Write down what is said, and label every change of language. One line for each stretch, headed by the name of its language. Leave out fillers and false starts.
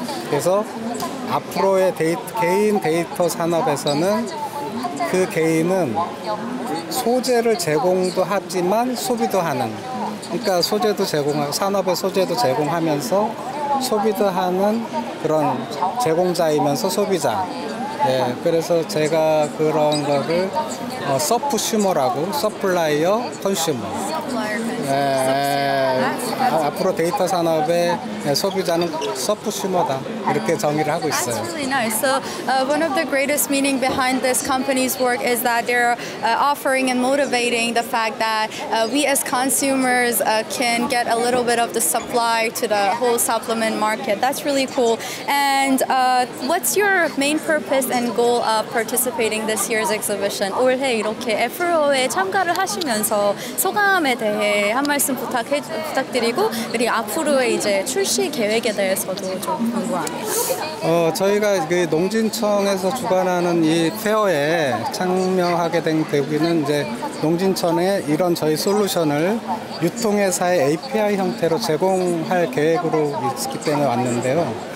Korean: 그래서 앞으로의 개인 데이터 산업에서는 그 개인은 소재를 제공도 하지만 소비도 하는 그러니까 소재도 제공하고 산업의 소재도 제공하면서 소비도 하는 그런 제공자이면서 소비자 예, 그래서 제가 그런 거를 서프슈머라고 서플라이어 컨슈머 예, 앞으로 데이터 산업의 소비자는 서프슈머다 이렇게 정의를 하고 있어요.
English: That's really nice. So one of the greatest meaning behind this company's work is that they're offering and motivating the fact that we as consumers can get a little bit of the supply to the whole supplement market. That's really cool. And what's your main purpose and goal of participating this year's exhibition?
Korean: 올해 이렇게 FRO에 참가를 하시면서 소감에 대해 한 말씀 부탁드리고 우리 앞으로의 이제 출시 계획에 대해서도 좀 궁금합니다. 저희가 그 농진청에서 주관하는 이 페어에 참여하게 된 계기는 이제 농진청에 이런 저희 솔루션을 유통회사의 API 형태로 제공할 계획으로 있기 때문에 왔는데요.